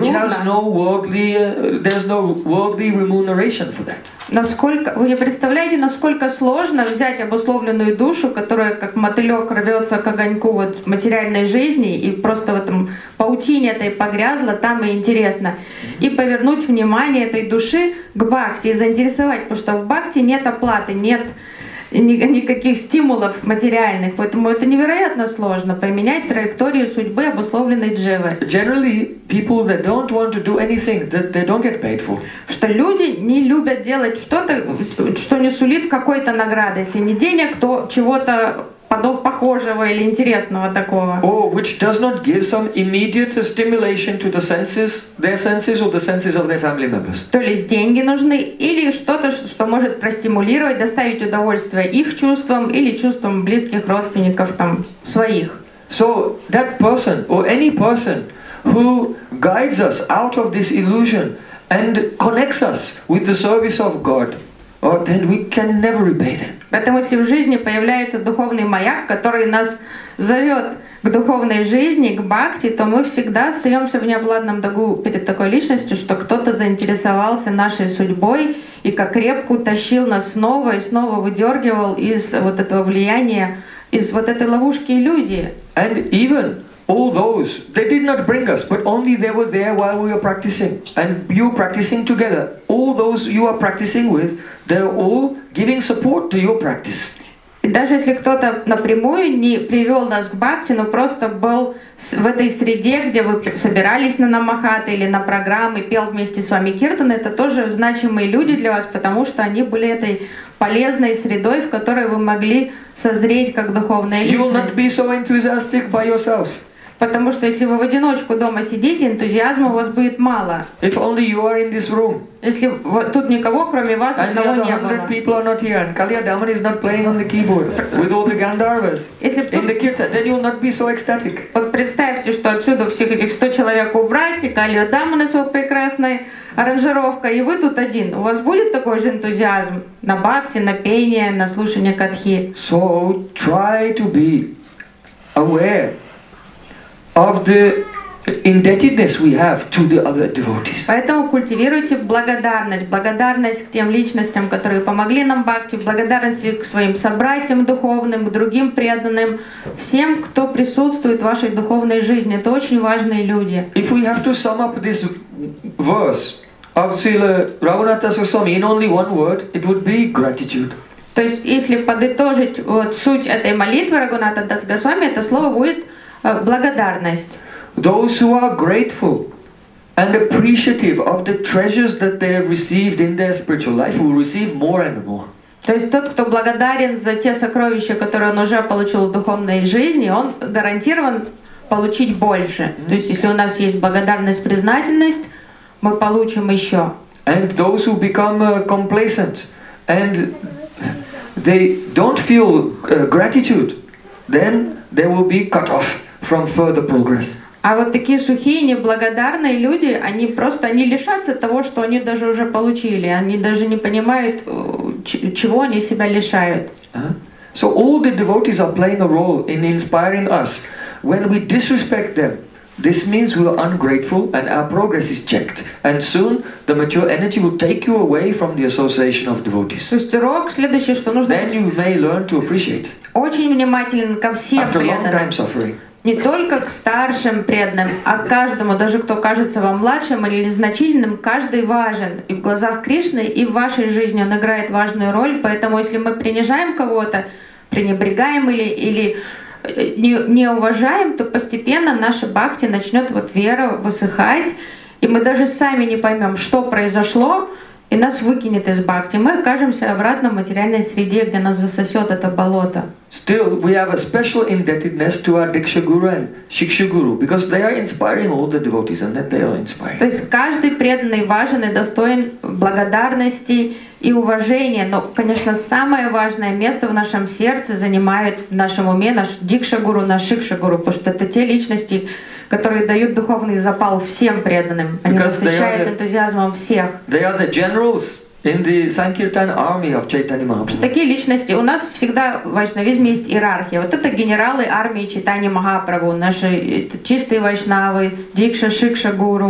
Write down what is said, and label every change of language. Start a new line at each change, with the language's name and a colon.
English: Which has no worldly, there's no worldly remuneration for that.
Russian: Насколько вы не представляете, насколько сложно взять обусловленную душу, которая как мотылек рвется к огоньку вот материальной жизни и просто в этом паутине этой погрязла, там и интересно, и повернуть внимание этой души к бхакти, заинтересовать, потому что в бхакти нет оплаты, нет никаких стимулов материальных, поэтому это невероятно сложно поменять траекторию судьбы, обусловленной дживой.
English: Generally, people that don't want to do anything, that they don't get paid for.
Russian: Что люди не любят делать что-то, что не сулит какой-то награды, если не денег, то чего-то подобного, похожего или интересного такого.
English: Oh, which does not give some immediate stimulation to the senses, their senses or the senses of their family members.
Russian: То есть деньги нужны или что-то, что может простимулировать, доставить удовольствие их чувствам или чувствам близких родственников там своих.
English: So that person or any person who guides us out of this illusion and connects us with the service of God. Or then we can never repay them.
Russian: Поэтому если в жизни появляется духовный маяк, который нас зовет к духовной жизни, к бхакти, то мы всегда остаемся в неопладном долгу перед такой личностью, что кто-то заинтересовался нашей судьбой и как репку тащил нас снова и снова выдергивал из вот этого влияния, из вот этой ловушки иллюзии.
English: And even all those, they did not bring us, but only they were there while we were practicing. And you practicing together, all those you are practicing with, they're all giving support to your practice.
Russian: И даже если кто-то напрямую не привел нас к бхакти, но просто был в этой среде, где вы собирались на намахаты или на программы, пел вместе с вами киртан, это тоже значимые люди для вас, потому что они были этой полезной средой, в которой вы могли созреть как духовная личность.
English: You will not be so enthusiastic by yourself.
Russian: Потому что если вы в одиночку дома сидите, энтузиазма у вас будет мало.
English: If only you are in this room.
Russian: Если тут никого, кроме вас,
English: and
Russian: одного не было.
English: And the 100 people are not here, and Kaliya Daman is not playing on the keyboard with all the Gandharvas in the kirtan, then you will not be so ecstatic.
Russian: Вот представьте, что отсюда всех этих 100 человек убрать, и Kaliya Daman с его прекрасной аранжировкой, и вы тут один. У вас будет такой же энтузиазм на бхакти, на пение, на слушание катхи?
English: So try to be aware of the indebtedness we have to the other devotees.
Russian: Поэтому культивируйте благодарность, благодарность к тем личностям, которые помогли нам бхакти, благодарность к своим собратьям духовным, к другим преданным, всем, кто присутствует в вашей духовной жизни. Это очень важные люди.
English: If we have to sum up this verse of Srila Raghunatha Swami in only one word, it would be gratitude.
Russian: То есть, если подытожить вот суть этой молитвы Рагхунатха Дас Госвами, это слово будет благодарность.
English: Those who are grateful and appreciative of the treasures that they have received in their spiritual life will receive more and more.
Russian: То есть тот, кто благодарен за те сокровища, которые он уже получил в духовной жизни, он гарантирован получить больше. Mm-hmm. То есть если у нас есть благодарность, признательность, мы получим еще.
English: And those who become complacent and they don't feel gratitude, then they will be cut off from further progress.
Russian: А вот такие сухие, неблагодарные люди, они лишатся того, что они даже уже получили. Они даже не понимают, чего они себя лишают.
English: So all the devotees are playing a role in inspiring us. When we disrespect them, this means we are ungrateful and our progress is checked. And soon the mature energy will take you away from the association of devotees.
Russian: То есть урок следующий, что нужно.
English: Then you may learn to appreciate.
Russian: Очень внимателен ко всем преданным. Не только к старшим преданным, а к каждому, даже кто кажется вам младшим или значительным, каждый важен. И в глазах Кришны, и в вашей жизни он играет важную роль. Поэтому если мы принижаем кого-то, пренебрегаем или не уважаем, то постепенно наша бхакти начнет вот вера высыхать, и мы даже сами не поймем, что произошло, и нас выкинет из бхакти. Мы окажемся обратно в материальной среде, где нас засосет это болото.
English: Still, we have a special indebtedness to our Diksha Guru and Shiksha Guru because they are inspiring all the devotees and that they are inspiring.
Russian: То есть каждый преданный важен и достоин благодарности и уважения, но, конечно, самое важное место в нашем сердце занимает в нашем уме наш Дикша Гуру, наш Шикша Гуру, потому что это те личности, которые дают духовный запал всем преданным. Они насыщают энтузиазмом всех.
English: They are the generals in the Sankirtan army of Chaitanya Mahaprabhu.
Russian: Такие личности. У нас всегда в вайшнавизме есть иерархия. Вот это генералы армии Чайтани Махапрабху. Наши чистые вайшнавы, Дикша, Шикша, Гуру.